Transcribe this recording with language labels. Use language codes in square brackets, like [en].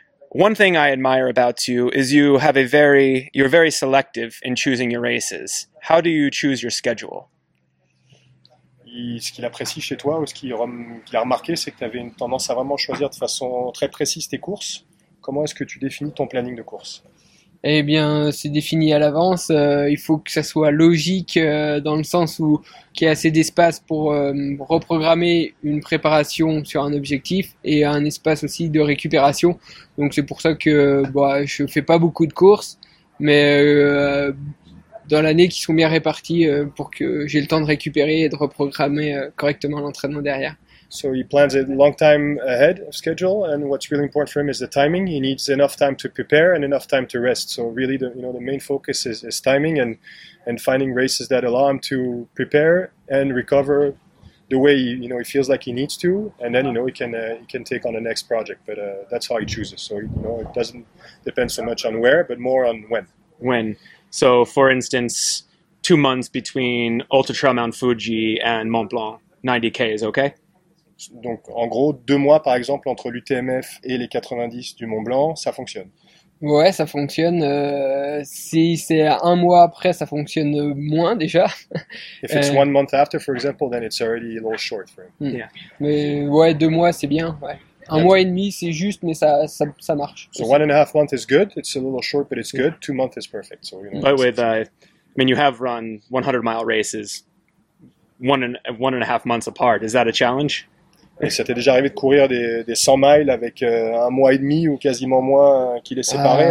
[en] One thing I admire about you is you have you're very selective in choosing your races. How do you choose your schedule? [fr] Ce qu'il apprécie chez toi, ou ce qu'il a remarqué, c'est que tu avais une tendance à vraiment choisir de façon très précise tes courses. Comment est-ce que tu définis ton planning de course? Eh bien, c'est défini à l'avance. Il faut que ça soit logique dans le sens où qu'il y a assez d'espace pour reprogrammer une préparation sur un objectif et un espace aussi de récupération. Donc, c'est pour ça que je fais pas beaucoup de courses, mais dans l'année, qui sont bien réparties pour que j'ai le temps de récupérer et de reprogrammer correctement l'entraînement derrière. [en] So he plans a long time ahead of schedule, and what's really important for him is the timing. He needs enough time to prepare and enough time to rest. So really, the main focus is timing and finding races that allow him to prepare and recover the way he feels like he needs to, and then he can take on the next project. But that's how he chooses. So it doesn't depend so much on where, but more on when. When? So for instance, 2 months between Ultra Trail Mount Fuji and Mont Blanc, 90K is okay. [fr] Donc en gros, 2 mois par exemple entre l'UTMF et les 90 du Mont Blanc, ça fonctionne. Ouais, ça fonctionne. Si c'est un mois après, ça fonctionne moins déjà. [en] If it's 1 month after, for example, then it's already a little short for him. Yeah. [fr] Mais ouais, 2 mois c'est bien. Ouais. Mois et demi c'est juste, mais ça marche. [en] So aussi. 1.5 months is good. It's a little short, but it's good. 2 months is perfect. So By the way, you have run 100 mile races. One and a half months apart, is that a challenge? [fr] Et ça t'est déjà arrivé de courir des 100 miles avec un mois et demi ou quasiment moins qui les séparait?